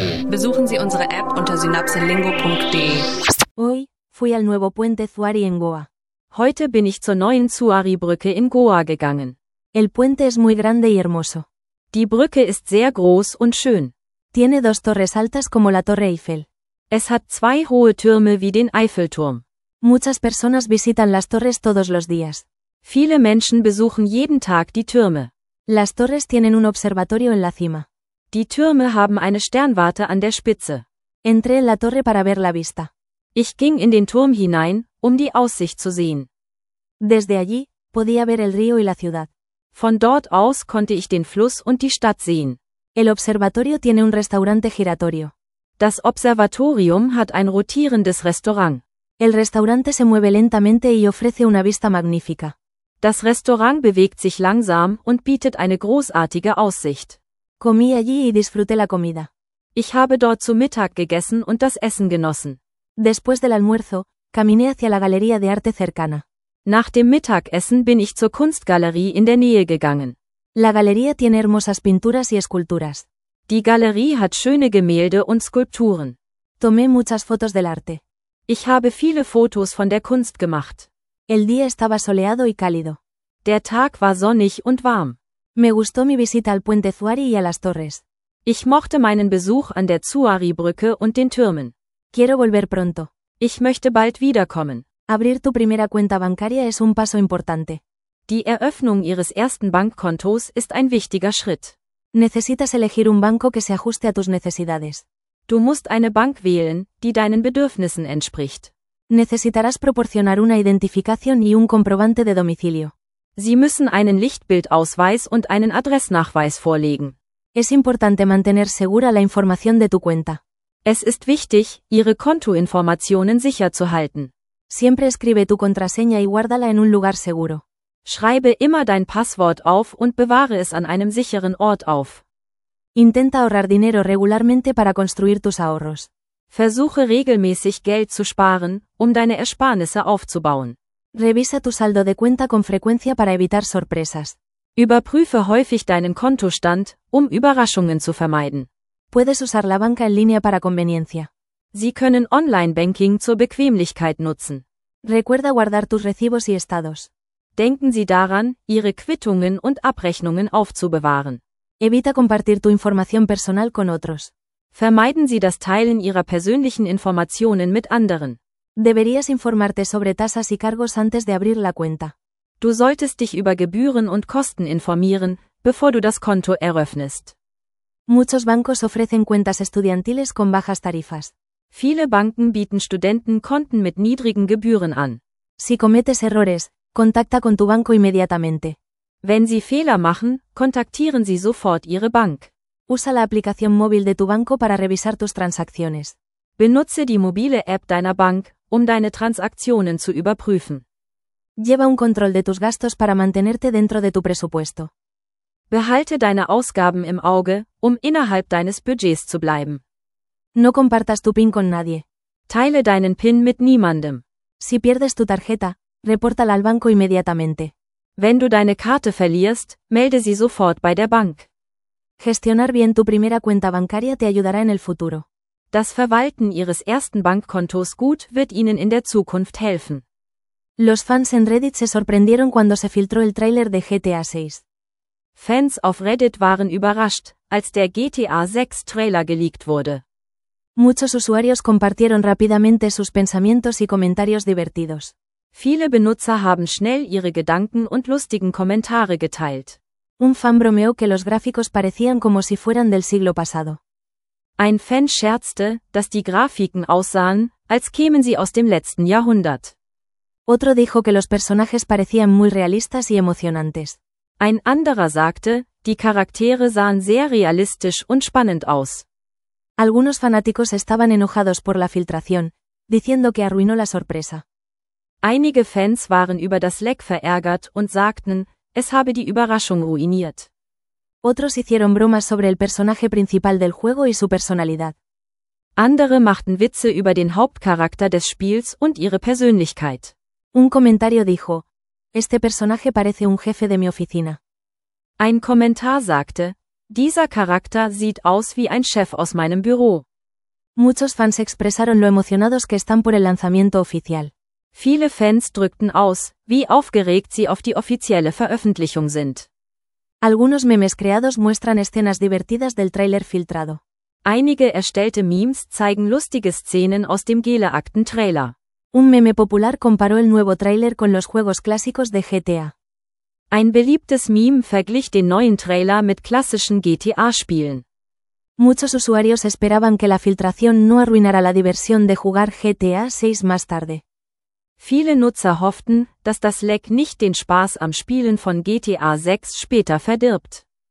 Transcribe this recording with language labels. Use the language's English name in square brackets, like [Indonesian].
[German] Besuchen Sie unsere App unter synapselingo.de. [Spanish] Hoy fui al nuevo puente Zuari en Goa. [German] Heute bin ich zur neuen Zuari-Brücke in Goa gegangen. [Spanish] El puente es muy grande y hermoso. [German] Die Brücke ist sehr groß und schön. [Spanish] Tiene dos torres altas como la Torre Eiffel. [German] Es hat zwei hohe Türme wie den Eiffelturm. [Spanish] Muchas personas visitan las torres todos los días. [German] Viele Menschen besuchen jeden Tag die Türme. [Spanish] Las torres tienen un observatorio en la cima. [German] Die Türme haben eine Sternwarte an der Spitze. [Spanish] Entré en la torre para ver la vista. [German] Ich ging in den Turm hinein, um die Aussicht zu sehen. [Spanish] Desde allí, podía ver el río y la ciudad. [German] Von dort aus konnte ich den Fluss und die Stadt sehen. [Spanish] El observatorio tiene un restaurante giratorio. [German] Das Observatorium hat ein rotierendes Restaurant. [Spanish] El restaurante se mueve lentamente y ofrece una vista magnífica. [German] Das Restaurant bewegt sich langsam und bietet eine großartige Aussicht. [Spanish] Comí allí y disfruté la comida. [German] Ich habe dort zu Mittag gegessen und das Essen genossen. [Spanish] Después del almuerzo, caminé hacia la galería de arte cercana. [German] Nach dem Mittagessen bin ich zur Kunstgalerie in der Nähe gegangen. [Spanish] La galería tiene hermosas pinturas y esculturas. [German] Die Galerie hat schöne Gemälde und Skulpturen. [Spanish] Tomé muchas fotos del arte. [German] Ich habe viele Fotos von der Kunst gemacht. [Spanish] El día estaba soleado y cálido. [German] Der Tag war sonnig und warm. [Spanish] Me gustó mi visita al Puente Zuari y a las Torres. [German] Ich mochte meinen Besuch an der Zuari-Brücke und den Türmen. [Spanish] Quiero volver pronto. [German] Ich möchte bald wiederkommen. [Spanish] Abrir tu primera cuenta bancaria es un paso importante. [German] Die Eröffnung Ihres ersten Bankkontos ist ein wichtiger Schritt. [Spanish] Necesitas elegir un banco que se ajuste a tus necesidades. [German] Du musst eine Bank wählen, die deinen Bedürfnissen entspricht. [Spanish] Necesitarás proporcionar una identificación y un comprobante de domicilio. [German] Sie müssen einen Lichtbildausweis und einen Adressnachweis vorlegen. [Spanish] Es importante mantener segura la información de tu cuenta. [German] Es ist wichtig, Ihre Kontoinformationen sicher zu halten. [Spanish] Siempre escribe tu contraseña y guárdala en un lugar seguro. [German] Schreibe immer dein Passwort auf und bewahre es an einem sicheren Ort auf. [Spanish] Intenta ahorrar dinero regularmente para construir tus ahorros. [German] Versuche regelmäßig Geld zu sparen, um deine Ersparnisse aufzubauen. [Spanish] Revisa tu saldo de cuenta con frecuencia para evitar sorpresas. [German] Überprüfe häufig deinen Kontostand, um Überraschungen zu vermeiden. [Spanish] Puedes usar la banca en línea para conveniencia. [German] Sie können Online-Banking zur Bequemlichkeit nutzen. [Spanish] Recuerda guardar tus recibos y estados. [German] Denken Sie daran, Ihre Quittungen und Abrechnungen aufzubewahren. [Spanish] Evita compartir tu información personal con otros. [German] Vermeiden Sie das Teilen Ihrer persönlichen Informationen mit anderen. [Spanish] Deberías informarte sobre tasas y cargos antes de abrir la cuenta. [German] Du solltest dich über Gebühren und Kosten informieren, bevor du das Konto eröffnest. [Spanish] Muchos bancos ofrecen cuentas estudiantiles con bajas tarifas. [German] Viele Banken bieten Studenten Konten mit niedrigen Gebühren an. [Spanish] Si cometes errores, contacta con tu banco inmediatamente. [German] Wenn Sie Fehler machen, kontaktieren Sie sofort Ihre Bank. [Spanish] Usa la aplicación móvil de tu banco para revisar tus transacciones. [German] Benutze die mobile App deiner Bank, um deine Transaktionen zu überprüfen. [Spanish] Lleva un control de tus gastos para mantenerte dentro de tu presupuesto. [German] Behalte deine Ausgaben im Auge, um innerhalb deines Budgets zu bleiben. [Spanish] No compartas tu PIN con nadie. [German] Teile deinen PIN mit niemandem. [Spanish] Si pierdes tu tarjeta, repórtala al banco inmediatamente. [German] Wenn du deine Karte verlierst, melde sie sofort bei der Bank. [Spanish] Gestionar bien tu primera cuenta bancaria te ayudará en el futuro. [German] Das Verwalten Ihres ersten Bankkontos gut wird Ihnen in der Zukunft helfen. [Spanish] Los fans en Reddit se sorprendieron cuando se filtró el tráiler de GTA 6. [German] Fans auf Reddit waren überrascht, als der GTA 6 Trailer geleakt wurde. [Spanish] Muchos usuarios compartieron rápidamente sus pensamientos y comentarios divertidos. [German] Viele Benutzer haben schnell ihre Gedanken und lustigen Kommentare geteilt. [Spanish] Un fan bromeó que los gráficos parecían como si fueran del siglo pasado. [German] Ein Fan scherzte, dass die Grafiken aussahen, als kämen sie aus dem letzten Jahrhundert. [Spanish] Otro dijo que los personajes parecían muy realistas y emocionantes. [German] Ein anderer sagte, die Charaktere sahen sehr realistisch und spannend aus. [Spanish] Algunos fanáticos estaban enojados por la filtración, diciendo que arruinó la sorpresa. [German] Einige Fans waren über das Leck verärgert und sagten, es habe die Überraschung ruiniert. [Spanish] Otros hicieron bromas sobre el personaje principal del juego y su personalidad. [German] Andere machten Witze über den Hauptcharakter des Spiels und ihre Persönlichkeit. [Spanish] Un comentario dijo, este personaje parece un jefe de mi oficina. [German] Ein Kommentar sagte, Dieser Charakter sieht aus wie ein Chef aus meinem Büro. [Spanish] Muchos fans expresaron lo emocionados que están por el lanzamiento oficial. [German] Viele Fans drückten aus, wie aufgeregt sie auf die offizielle Veröffentlichung sind. [Spanish] Algunos memes creados muestran escenas divertidas del tráiler filtrado. [German] Einige erstellte Memes zeigen lustige Szenen aus dem Gela-Akten-Trailer. [Spanish] Un meme popular comparó el nuevo tráiler con los juegos clásicos de GTA. [German] Ein beliebtes Meme verglich den neuen Trailer mit klassischen GTA-Spielen. [Spanish] Muchos usuarios esperaban que la filtración no arruinara la diversión de jugar GTA 6 más tarde. [German] Viele Nutzer hofften, dass das Leck nicht den Spaß am Spielen von GTA 6 später verdirbt.